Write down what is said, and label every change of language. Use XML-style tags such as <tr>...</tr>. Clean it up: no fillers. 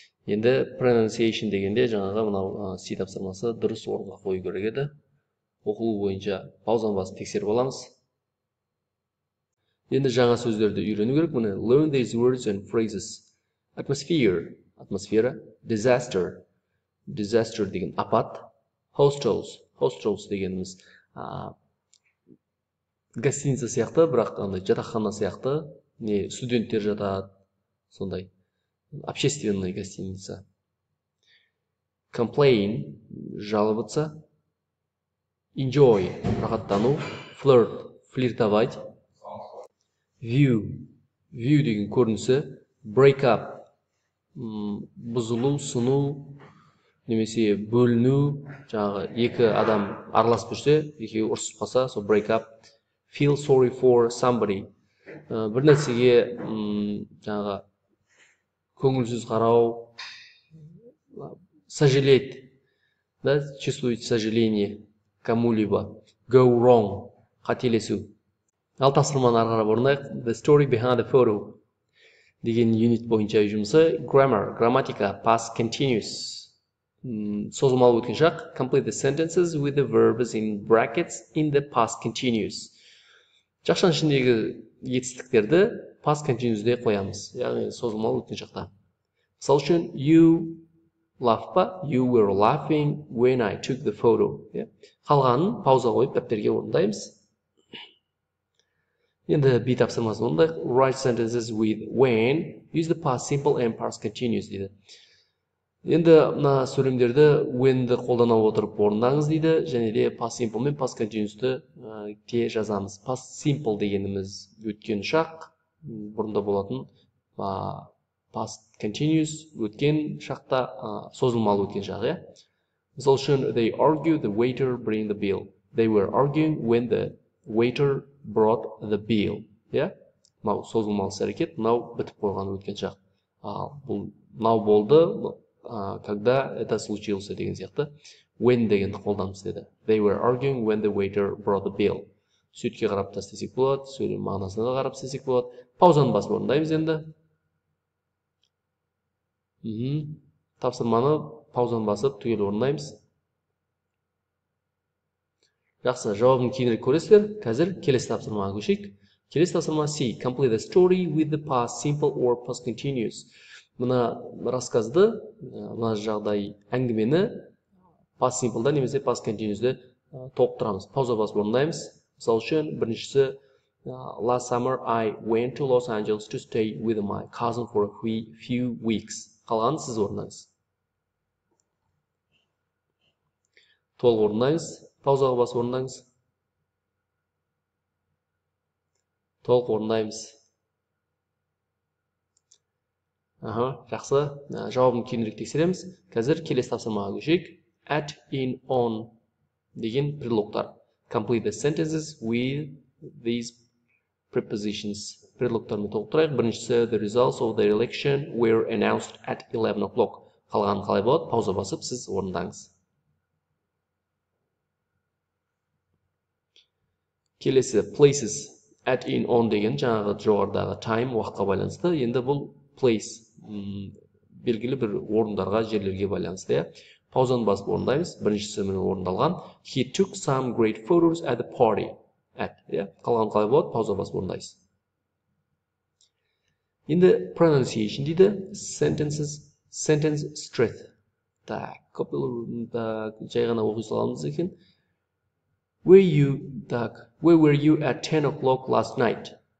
<kk>Енді pronunciation дегенде жаңағы мынау C тапсырмасы дұрыс орынға қою керек еді. Оқылу бойынша паузаны басып тексеріп аламыз. Енді жаңа сөздерді үйрену керек. Міне,</kk> <en>learn these words and phrases.</en> <kk>Atmosphere, атмосфера, disaster, disaster деген апат, hostels, hostels дегеніміз гостиница сияқты, бірақ андай жатақхана сияқты, не студенттер жатады, сондай</kk> <ru>общественная гостиница.</ru> <kk>Complain, жалобиться. Enjoy, рахаттану. Flirt, флиртовать. View, view деген көрінісі. Break up, бұзылу, сыну, немесе бөліну. Жаңағы екі адам араласып жүрсе, екеуі ұрсысып қалса, сол break up.</kk> <en>feel sorry for somebody.</en> <kk>Бір нәрсеге жаңағы көңілсіз қарау, сожалеть, да,</kk> <ru>чувствовать сожаление кому-либо,</ru> <kk>go wrong, қателесу. Ал тапсырманы ары қарап орындайық.</kk> <en>The story behind the photo</en> <kk>деген юнит бойынша жұмысы</kk> <en>grammar, грамматика, past continuous.</en> <kk>Созылмалы өткен шақ,</kk> <en>complete the sentences with the verbs in brackets in the past continuous.</en> <kk>Жақшан ішіндегі етістіктерді past continuous-де қоямыз, яғни созылмалы өткен шақта. Мысал үшін, you laugh па?</kk> <en>You were laughing when I took the photo.</en> <kk>Қалғанын пауза қойып, дәптерге орындаймыз. Енді B тапсырмасын орындайық.</kk> <en>Write sentences with when, use the past simple and past continuous</en> <kk>дейді. Енді мына сөйлемдерді when-ді қолдана отырып орындаңыз дейді, және де past simple мен past continuous-ті те жазамыз. Past simple дегеніміз өткен шақ, бұрында болатын past continuous өткен шақта созылмалы өткен шақ, иә. Мысалы үшін,</kk> <en>they argue the waiter bring the bill. They were arguing when the waiter brought the bill.</en> <kk>Иә? Мынау созылмалы әрекет, мынау бітіп қойған өткен шақ. Бұл мынау болды,</kk> <ru>когда это случилось</ru> <kk>деген сияқты. When дегенді қолданамыз деді.</kk> <en>They were arguing when the waiter brought the bill.</en> <kk>Сөйтке қарап тастасек болады, сөйлем мағынасына да қарап тастасек болады. Паузаны басып орындаймыз енді. Тапсырманы паузаны басып түгел орындаймыз. Жақсы, жауабын кейінірек көресіздер. Қазір келесі тапсырмаға көшейік. Келесі тапсырма C.</kk> <en>Complete the story with the past simple or past continuous.</en> <kk>Мына рассказды, мына жағдай әңгімені past simple-да немесе past continuous-де толықтырамыз. Пауза басып орындаймыз. Мысалы үшін, біріншісі,</kk> <en>last summer I went to Los Angeles to stay with my cousin for a few weeks.</en> <kk>Қалғанын сіз орындаңыз. Толық орындаймыз. Паузаға басып орындаңыз. Толық орындаймыз. Жақсы. Жауабын кейінірек тексереміз. Қазір келесі тапсырмаға көшейік.</kk> <en>At, in, on</en> <kk>деген предлогтар.</kk> <en>Complete the sentences with these prepositions.</en> <kk>Предлогтарымен толықтырайық. Біріншісі,</kk> <en>the results of the election were announced at 11 o'clock.</en> <kk>Қалғанын қалай болады? Пауза басып, сіз орындаңыз. Келесі, places. At, in, on деген жаңағы жоғардағы time, уақытқа байланысты. Енді бұл place. Белгілі бір орындарға, жерлерге байланысты. Паузаны басып орындаймыз. Біріншісі мен орындалған.</kk> <en>He took some great photos at the party.</en> <kk>At, қалған қалай болады? Паузаны басып орындайыз. Енді pronunciation дейді.</kk> <en>Sentences, sentence strength.</en> <kk>Жай ғана оқи саламыз екен.</kk> <en>Where were you at 10 o'clock last night?</en>